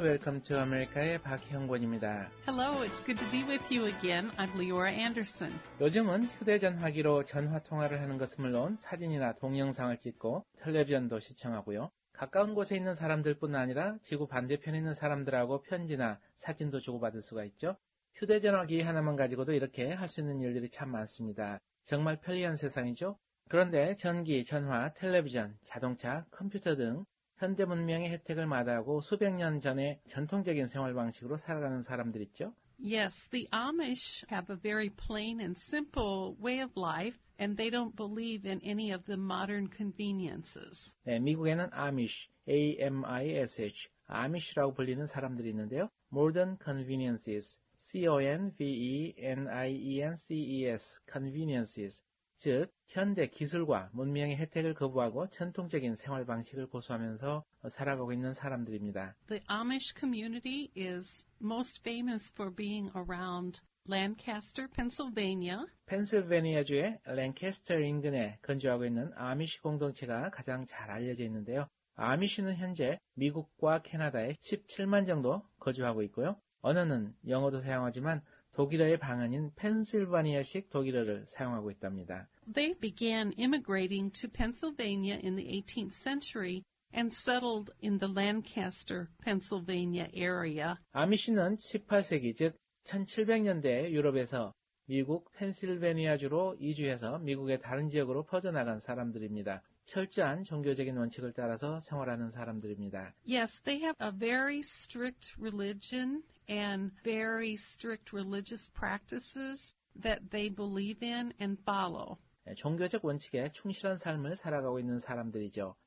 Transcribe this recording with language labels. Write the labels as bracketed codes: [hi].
[ko] Welcome to America의 박형권입니다. [en] Hello, it's good to be with you again. I'm Leora Anderson. [ko] 요즘은 휴대전화기로 전화통화를 하는 것은 물론 사진이나 동영상을 찍고 텔레비전도 시청하고요. 가까운 곳에 있는 사람들뿐 아니라 지구 반대편에 있는 사람들하고 편지나 사진도 주고받을 수가 있죠. 휴대전화기 하나만 가지고도 이렇게 할 수 있는 일들이 참 많습니다. 정말 편리한 세상이죠. 그런데 전기, 전화, 텔레비전, 자동차, 컴퓨터 등 현대문명의 혜택을 마다하고 수백 년 전에 전통적인 생활 방식으로 살아가는 사람들 있죠. [en] Yes, the Amish have a very plain and simple way of life, and they don't believe in any of the modern conveniences. [ko] 네, 미국에는 Amish, A-M-I-S-H, Amish라고 불리는 사람들이 있는데요. Modern conveniences, C-O-N-V-E-N-I-E-N-C-E-S, conveniences, 즉, 현대 기술과 문명의 혜택을 거부하고 전통적인 생활 방식을 고수하면서 살아가고 있는 사람들입니다. [en] The Amish community is most famous for being around Lancaster, Pennsylvania. [ko] 펜실베니아주의 랭캐스터 인근에 건조하고 있는 아미시 공동체가 가장 잘 알려져 있는데요. 아미시는 현재 미국과 캐나다에 17만 정도 거주하고 있고요. 언어는 영어도 사용하지만 독일어의 방언인 펜실베니아식 독일어를 사용하고 있답니다. [en] They began immigrating to Pennsylvania in the 18th century and settled in the Lancaster, Pennsylvania area. [ko] 아미시는 18세기, 즉 1700년대에 유럽에서 미국 펜실베니아주로 이주해서 미국의 다른 지역으로 퍼져나간 사람들입니다. 철저한 종교적인 원칙을 따라서 생활하는 사람들입니다. [en] Yes, they have a very strict religion and very strict religious practices that they believe in and follow. [ko] 네, 종교적 원칙에 충실한 삶을 살아가고 있는 사람들이죠.